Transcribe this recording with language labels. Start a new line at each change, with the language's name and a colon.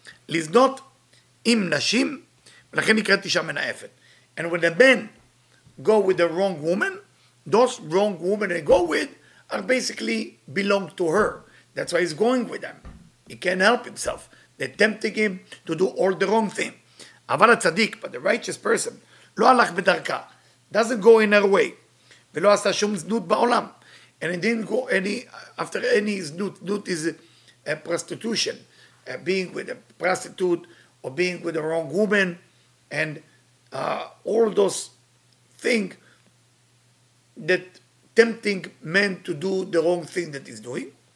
Hebrew: Lizdot im nashim, lachen nikret isha menayefet.
English: And when the men go with the wrong woman, those wrong women they go with are basically belong to her. That's why he's going with them. He can't help himself. They're tempting him to do all the wrong thing.
Hebrew: אבל הצדיק,
English: but the righteous person,
Hebrew: לא הלך בדרכה,
English: doesn't go in her way,
Hebrew: ולא עשה שום זנות בעולם.
English: And he didn't go any, after any זנות, זנות is a prostitution, being with a prostitute, or being with the wrong woman, and all those things that tempting men to do the wrong thing that he's doing.